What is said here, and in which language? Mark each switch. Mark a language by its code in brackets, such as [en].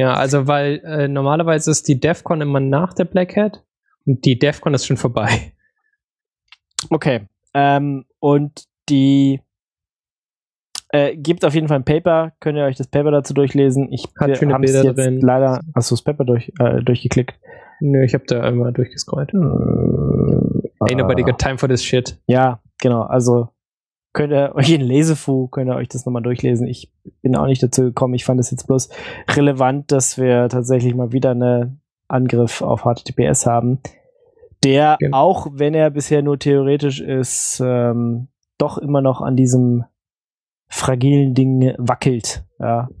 [de] Ja, also weil normalerweise ist die DEFCON immer nach der Black Hat und die DEFCON ist schon vorbei. Okay, und die gibt auf jeden Fall ein Paper, könnt ihr euch das Paper dazu durchlesen. Ich habe schöne Bilder jetzt drin. Leider, hast du das Paper durchgeklickt? Nö, ich habe da einmal durchgescrollt. [en] Ain't nobody got time for this shit. [de] Ja, genau, also könnt ihr euch in Lesefu, könnt ihr euch das nochmal durchlesen. Ich bin auch nicht dazu gekommen, ich fand es jetzt bloß relevant, dass wir tatsächlich mal wieder einen Angriff auf HTTPS haben. Der, genau. Auch wenn er bisher nur theoretisch ist, doch immer noch an diesem fragilen Ding wackelt. Ja.